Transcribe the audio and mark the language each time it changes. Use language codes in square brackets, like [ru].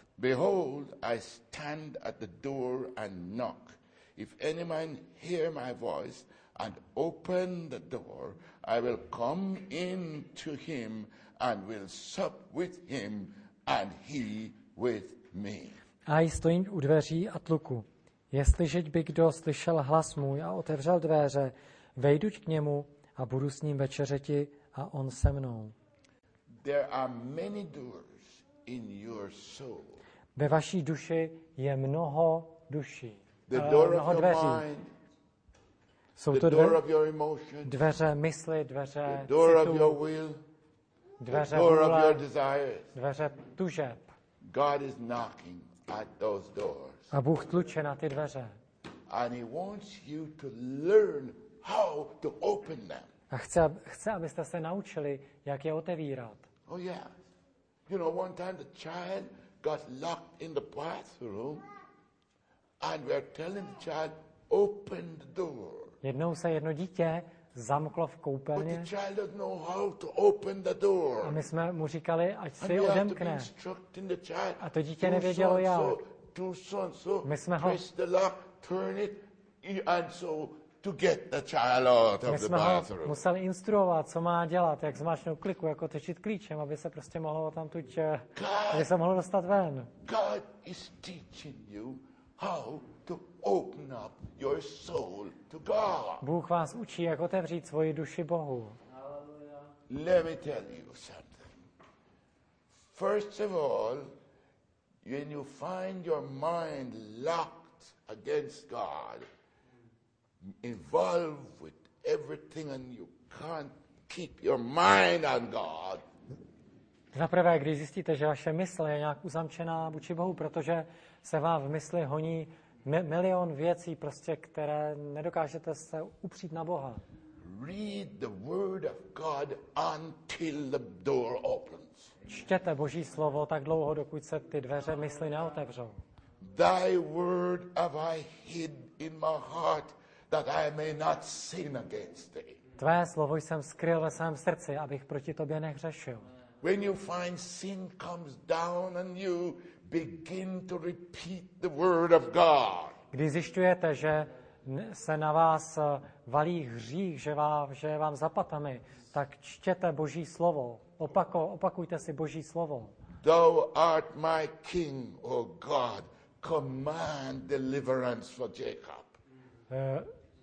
[en] Behold, I stand at the door and knock. If any man hear my voice and open the door, I will come in to him and will sup with him and he with me. [cs] A já stojím u dveří a tluku. Jestliže by kdo slyšel hlas můj a otevřel dveře, vejduť k němu a budu s ním večeřeti a on se mnou. [en] There are many doors in your soul. [cs] Ve vaší duši je mnoho duší. [en] The door of your mind. [cs] Jsou to [en] door of your emotions. [cs] Dveře mysli, dveře citů. [en] Door of your will. [cs] Dveře vůle. Dveře tužeb. [en] God is knocking at those doors. [cs] A Bůh tluče na ty dveře. [en] And he wants you to learn how to open them. [cs] A chce, abyste se naučili, jak je otevírat. [en] Oh yeah. You know, one time the child got locked in the bathroom. And we're telling the child, open the door. [cs] Jednou se jedno dítě zamklo v koupelně. [en] But the child doesn't know how to open the door. [cs] A my jsme mu říkali, ať si odemkne. [en] And we have to be instructing the child. [cs] A to dítě nevědělo jak. [en] So, [cs] my jsme ho [en] press the lock, turn it, and so to get the child out of the bathroom. [cs] My jsme ho museli instruovat, co má dělat, jak zmáčknout kliku, jako otočit klíčem, aby se prostě mohlo tam tuť, aby se mohlo dostat ven. [en] God is teaching you how to open up your soul to God. [cs] Bůh vás učí, jak otevřít svoji duši Bohu. [en] Let me tell you something. First of all, when you find your mind locked against God, involved with everything and you can't keep your mind on God. [cs] Za prvé, když zjistíte, že vaše mysl je nějak uzamčená vůči Bohu, protože se vám v mysli honí milion věcí, prostě, které nedokážete se upřít na Boha. [en] Read the word of God until the door opens. [cs] Čtěte Boží slovo tak dlouho, dokud se ty dveře mysli neotevřou. [en] Thy word have I hid in my heart that I may not sin against thee. [cs] Tvé slovo jsem skryl ve svém srdci, abych proti tobě nehřešil. [en] When you find sin comes down on you, begin to repeat the word of God. [cs] Když zjišťujete, že se na vás valí hřích, že vám zapatami, tak čtěte Boží slovo. Opakujte si Boží slovo. [en] Thou art my king, O God, command deliverance for Jacob.